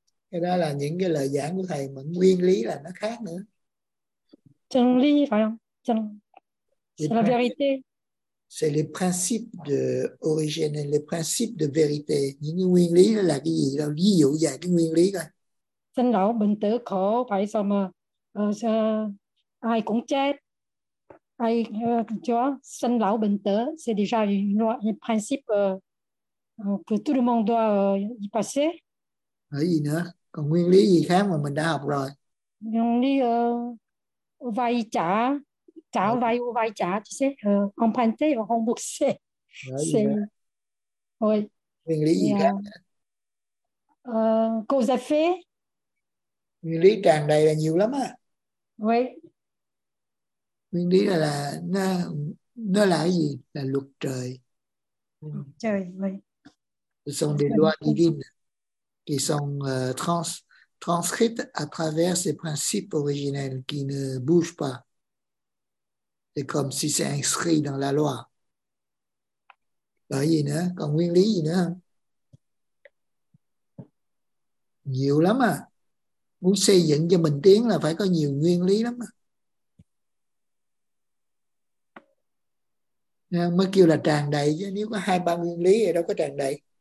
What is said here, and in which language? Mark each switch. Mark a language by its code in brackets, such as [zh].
[vi] Cái đó là những cái lời giảng của thầy, mà nguyên lý là nó khác nữa. Chân lý phải không? Chân. [fr] C'est la vérité. C'est les principes de origine, les principes de vérité. [vi] Những nguyên lý là cái gì? Là ví dụ về cái nguyên lý coi. Sinh lão bệnh tử khổ, phải sao mà ai cũng chết. Ai cho sinh lão bệnh tử, [fr] c'est déjà un principe que tout le monde doit y passer. [vi] Nói gì nữa? Còn nguyên lý gì khác mà mình đã học rồi? Nguyên lý vay trả. Trả vay [fr] ou [vi] vay trả, [fr] tu sais, emprunter ou rembourser. Oui. [vi] Nguyên lý gì khác? [fr] Cause à fait. [vi] Nguyên lý tràn đầy là nhiều lắm á. [fr] Oui. [vi] Nguyên lý là nó là cái gì? Là luật trời. Trời, [fr] oui. Ce sont des lois divines qui sont transcrites à travers ces principes originels qui ne bougent pas. C'est comme si c'est inscrit dans la loi. [vi] Bởi vì nữa, còn nguyên lý gì nữa? Nhiều lắm à. Muốn xây dựng cho mình tiến là phải có nhiều nguyên lý lắm à. Nên mới kêu là tràn đầy chứ. Nếu có 2-3 nguyên lý thì đâu có tràn đầy.